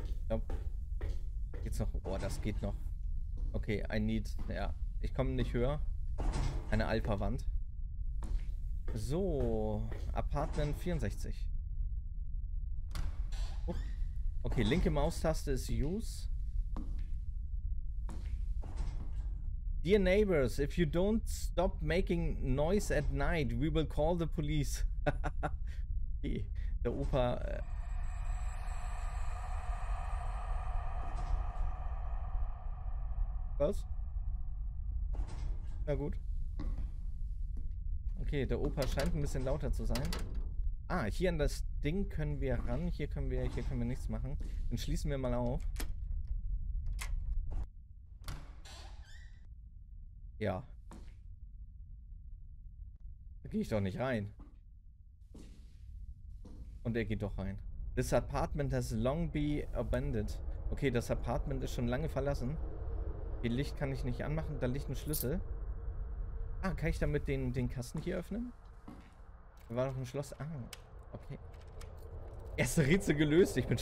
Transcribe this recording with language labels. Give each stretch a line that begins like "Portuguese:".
German: Ja. Geht's noch? Oh, das geht noch. Okay,
English: I need.
German: Ja, ich komme nicht höher. Eine Alpha-Wand. So, Apartment 64. Oh. Okay, linke Maustaste ist Use.
English: Dear neighbors, if you don't stop making noise at night, we will call the police.
German: Okay. Der Opa. Was? Na gut. Okay, der Opa scheint ein bisschen lauter zu sein. Ah, hier an das Ding können wir ran. Hier können wir nichts machen. Dann schließen wir mal auf. Ja. Da gehe ich doch nicht rein. Und er geht doch rein.
English: This apartment has long been abandoned.
German: Okay, das Apartment ist schon lange verlassen. Okay, Licht kann ich nicht anmachen. Da liegt ein Schlüssel. Ah, kann ich damit den Kasten hier öffnen? Da war doch ein Schloss. Ah, okay. Erste Rätsel gelöst.